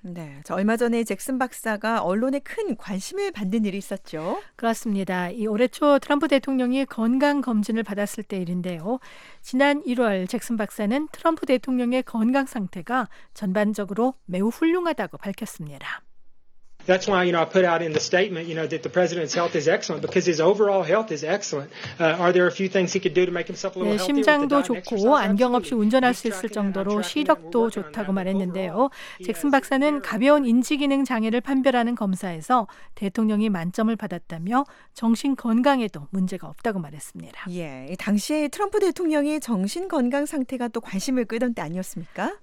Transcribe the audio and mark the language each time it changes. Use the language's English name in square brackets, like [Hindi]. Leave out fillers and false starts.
[Korean] 네, 저 얼마 전에 잭슨 박사가 언론에 큰 관심을 받는 일이 있었죠. 그렇습니다. 이 올해 초 트럼프 대통령이 건강검진을 받았을 때 일인데요. 지난 1월 잭슨 박사는 트럼프 대통령의 건강 상태가 전반적으로 매우 훌륭하다고 밝혔습니다. [English] That's why, you know, I put out in the statement, you know, that the president's health is excellent because his overall health is excellent. Are there a few things he could do to make himself a little healthier? [Korean] 심장도 좋고 안경 없이 운전할 수 있을 정도로 시력도 좋다고 말했는데요. 잭슨 박사는 가벼운 인지 기능 장애를 판별하는 검사에서 대통령이 만점을 받았다며 정신 건강에도 문제가 없다고 말했습니다. 예, 당시 트럼프 대통령이 정신 건강 상태가 또 관심을 끌던 때 아니었습니까?